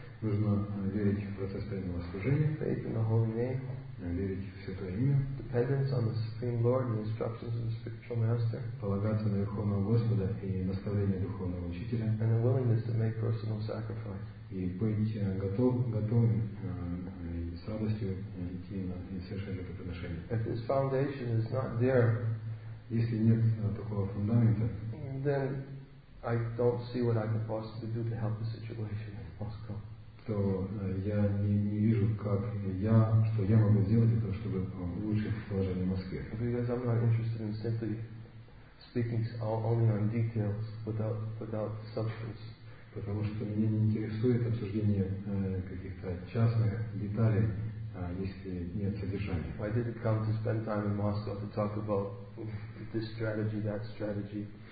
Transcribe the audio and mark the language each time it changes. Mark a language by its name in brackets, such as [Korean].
[Russian] Нужно верить в процесс преданного служения. [English] Faith in the holy name. [Russian] Верить в святое имя. [English] Dependence on the Supreme Lord and the instructions of the spiritual master. [Russian] Полагаться на Верховного Господа и наставления Духовного Учителя. [English] And a willingness to make personal sacrifice. [Russian] И быть готовым с радостью идти на совершать жертвоприношение. [English] If this foundation is not there, [Russian] если нет такого фундамента, [English] then I don't see what I can possibly do to help the situation in Moscow. [Russian] То я не вижу, как я, что я могу сделать для того, чтобы улучшить положение в Москве. [English] Because I'm not interested in simply speaking only on details without substance. [Russian] Потому что меня не интересует обсуждение каких-то частных деталей, если нет содержания. [English] I didn't come to spend time in Moscow to talk about this strategy, that strategy.